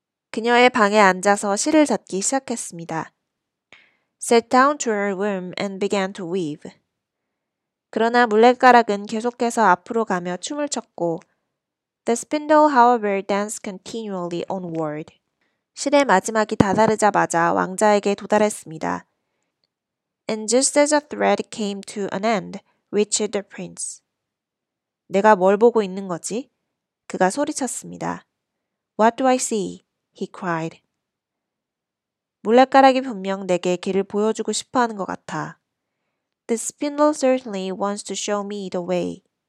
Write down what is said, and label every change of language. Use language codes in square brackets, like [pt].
[ko] 그녀의 방에 앉아서 실을 잡기 시작했습니다. [en] Sat down to her room and began to weave. [ko] 그러나 물레가락은 계속해서 앞으로 가며 춤을 췄고, [en] The spindle, however, danced continually onward. [ko] 실의 마지막이 다다르자마자 왕자에게 도달했습니다. [en] And just as a thread came to an end, reached the prince. [ko] 내가 뭘 보고 있는 거지? 그가 소리쳤습니다. [en] What do I see? He cried. [ko] 물레가락이 분명 내게 길을 보여주고 싶어 하는 것 같아. [en] The spindle certainly wants to show me the way.